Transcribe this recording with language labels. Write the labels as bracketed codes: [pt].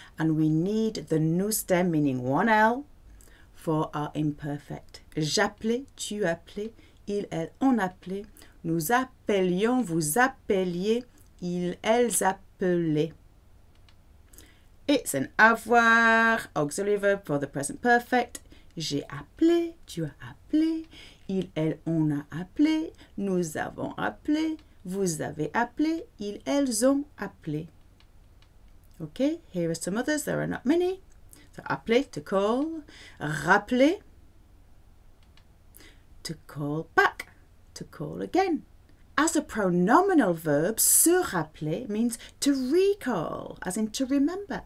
[en] And we need the nous stem meaning one L for our imperfect. [fr] J'appelais, tu appelais, il, elle, on appelait. Nous appelions, vous appeliez, ils, elles appelaient. [en] It's an avoir, auxiliary verb for the present perfect. [fr] J'ai appelé, tu as appelé, il, elle, on a appelé, nous avons appelé, vous avez appelé, ils, elles ont appelé. [en] Okay, here are some others, there are not many. So, appeler, to call, rappeler, to call back, to call again. As a pronominal verb, se rappeler means to recall, as in to remember.